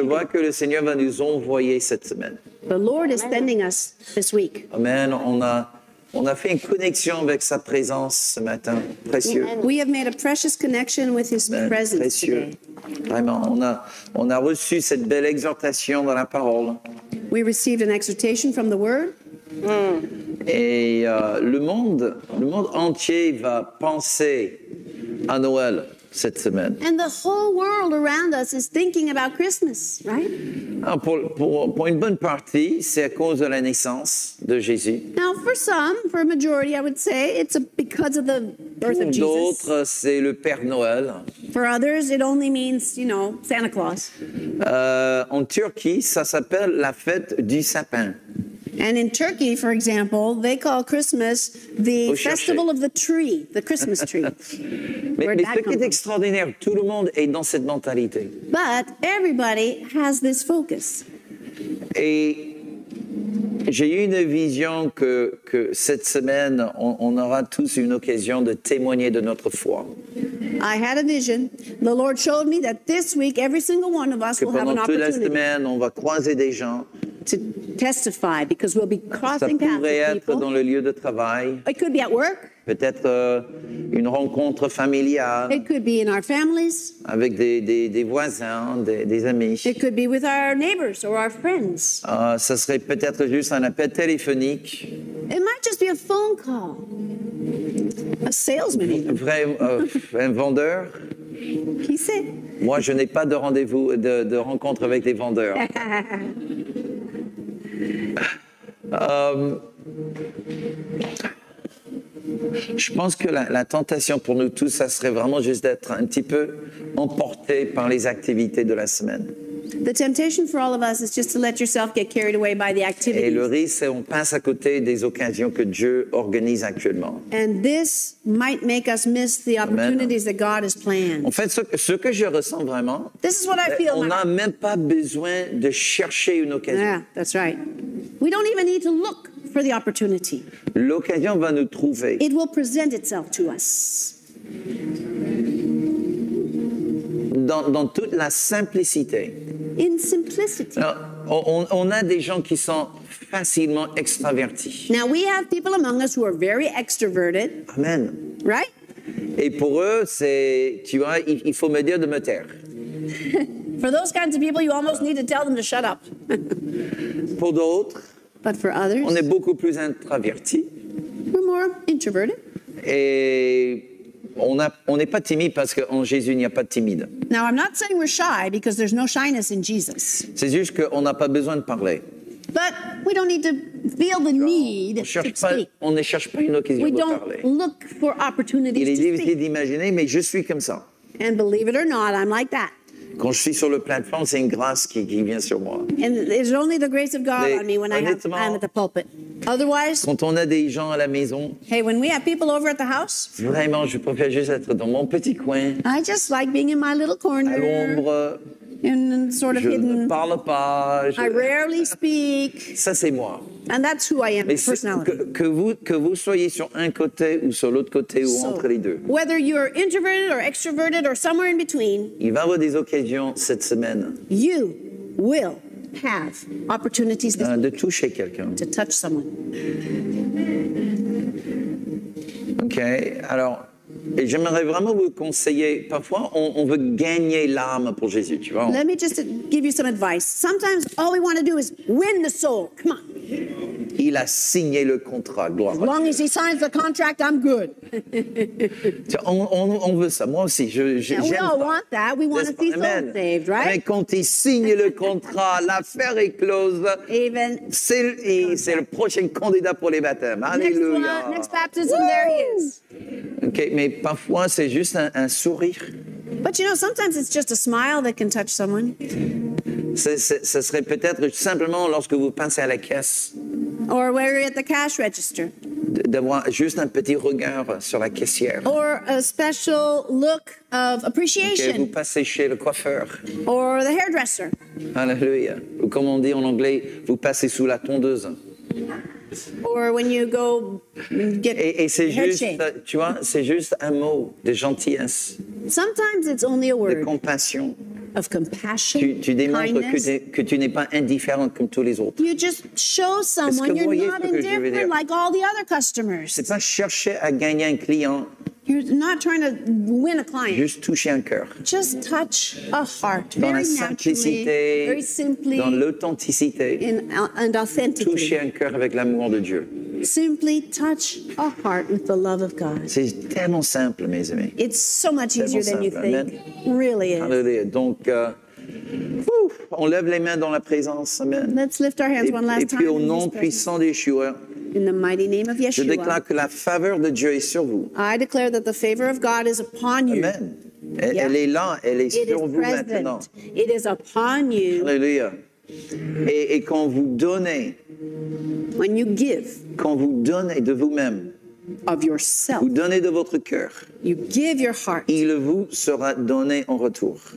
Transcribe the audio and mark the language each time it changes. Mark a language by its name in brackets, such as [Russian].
[French] Je vois que le Seigneur va nous envoyer cette semaine. [English] The Lord is sending us this week. Amen. [French] On a fait une connexion avec sa présence ce matin, précieux. [English] We have made a precious connection with his Amen. Presence. [French] Précieux. Vraiment, on a reçu cette belle exhortation dans la parole. [English] We received an exhortation from the Word. [French] Et le monde entier va penser à Noël cette semaine. [English] And the whole world around us is thinking about Christmas, right? [French] Alors pour une bonne partie, c'est à cause de la naissance de Jésus. [English] Now for some, for a majority, I would say, it's because of the birth of Jesus. [French] Pour d'autres, c'est le Père Noël. [English] For others, it only means, you know, Santa Claus. [French] En Turquie, ça s'appelle la fête du sapin. [English] And in Turkey, for example, they call Christmas the festival of the tree, the Christmas tree. [French] mais ce qui est extraordinaire, tout le monde est dans cette mentalité. [English] But everybody has this focus. [French] Et j'ai eu une vision que cette semaine, on aura tous une occasion de témoigner de notre foi. [English] I had a vision. The Lord showed me that this week, every single one of us will have an opportunity. [French] Pendant toute la semaine, on va croiser des gens. [English] To testify, because we'll be crossing paths with people. [French] Ça pourrait être dans le lieu de travail. [English] It could be at work. [French] Peut-être une rencontre familiale. [English] It could be in our families. [French] Avec des voisins, des amis. [English] It could be with our neighbors or our friends. [French] Ça serait peut-être juste un appel téléphonique. [English] It might just be a phone call. A salesman. [French] Un vendeur. Qui sait? Moi, je n'ai pas de rendez-vous, de rencontre avec des vendeurs. Je pense que la tentation pour nous tous, ça serait vraiment juste d'être un petit peu emporté par les activités de la semaine. [English] The temptation for all of us is just to let yourself get carried away by the activities. [French] Et le risque, c'est qu'on passe à côté des occasions que Dieu organise actuellement. [English] And this might make us miss the opportunities that God has planned. [French] En fait, ce que je ressens vraiment, [English] this is what I feel, [French] on n'a même pas besoin de chercher une occasion. [English] Yeah, that's right. We don't even need to look for the opportunity. [French] L'occasion va nous trouver. [English] It will present itself to us. [French] Dans toute la simplicité. [English] In simplicity. [French] On a des gens qui sont facilement extravertis. [English] Now we have people among us who are very extroverted. Amen. Right? [French] Et pour eux, c'est, tu vois, il faut me dire de me taire. [English] For those kinds of people, you almost need to tell them to shut up. [French] Pour d'autres, [English] but for others, [French] on est beaucoup plus introvertis. [English] We're more introverted. [French] Et on n'est pas timide parce qu'en Jésus, il n'y a pas de timide. [English] Now, I'm not saying we're shy because there's no shyness in Jesus. [French] C'est juste qu'on n'a pas besoin de parler. [English] But we don't need to feel the need to speak. [French] On ne cherche pas une occasion de parler. [English] We don't look for opportunities to speak. [French] Il est difficile d'imaginer, mais je suis comme ça. [English] And believe it or not, I'm like that. [French] Quand je suis sur le plateforme, c'est une grâce qui vient sur moi. [English] And it's only the grace of God on me when I'm at the pulpit. Otherwise, [French] quand on a des gens à la maison, [English] hey, when we have people over at the house, [French] vraiment, je préfère juste être dans mon petit coin. [English] I just like being in my little corner. [French] À l'ombre. [English] In sort of [French] je [English] hidden. [French] Ne parle pas. [English] I rarely speak. [French] Ça, c'est moi. [English] And that's who I am, [French] mais [English] personality. [French] Que vous soyez sur un côté ou sur l'autre côté ou [English] so, [French] entre les deux. [English] Whether you're introverted or extroverted or somewhere in between. [French] Il va y avoir des occasions cette semaine. [English] You will have opportunities this [French] de toucher quelqu'un. [English] To touch someone. OK. [French] Alors, et j'aimerais vraiment vous conseiller, parfois on veut gagner l'âme pour Jésus, tu vois. [English] Let me just give you some advice. Sometimes all we want to do is win the soul. Come on. [French] Il a signé le contrat, gloire à Dieu. [English] As long as he signs the contract, I'm good. [French] on veut ça, moi aussi, j'aime ça. [English] We all want that, we want to see souls saved, right? [French] Mais quand il signe le contrat, l'affaire est close, [English] even [French] c'est le prochain candidat pour les baptêmes, alléluia. [English] Next baptism, woo! There he is. [French] OK, mais parfois c'est juste un sourire. [English] But you know, sometimes it's just a smile that can touch someone. [French] Ce serait peut-être simplement lorsque vous pensez à la caisse. [English] Or where you're at the cash register. [French] D'avoir juste un petit regard sur la caissière. [English] Or a special look of appreciation. [French] Okay, vous passez chez le coiffeur. [English] Or the hairdresser. [French] Alléluia. Ou comme on dit en anglais, vous passez sous la tondeuse. [English] or when you go get [French] et c'est juste, tu vois, c'est juste un mot de gentillesse. [English] Sometimes it's only a word. [French] De compassion. [English] Of compassion. [French] Tu démontres que tu n'es pas indifférent comme tous les autres. [English] You just show someone you're not indifferent like all the other customers. [French] C'est pas chercher à gagner un client. [English] You're not trying to win a client. [French] Juste toucher un cœur. [English] Just touch a heart. [French] Dans la simplicité, [English] very simply, [French] dans l'authenticité, [English] and authentically. [French] Toucher un cœur avec l'amour de Dieu. [English] Simply touch a heart with the love of God. [French] C'est tellement simple, mes amis. [English] It's so much easier than you think. Really is. Hallelujah. [French] Donc, on lève les mains dans la présence. [English] Amen. Let's lift our hands one last time. [French] Et puis au nom puissant des joueurs. [English] In the mighty name of Yeshua. [French] Je déclare que la faveur de Dieu est sur vous. [English] I declare that the favor of God is upon you. Amen. Yeah. [French] Elle est là, elle est sur vous maintenant. [English] It is upon you. [French] Hallelujah. Et quand vous donnez, [English] when you give, [French] quand vous donnez de vous-même, [English] of yourself, [French] vous donnez de votre cœur, [English] you give your heart, [French] il vous sera donné en retour.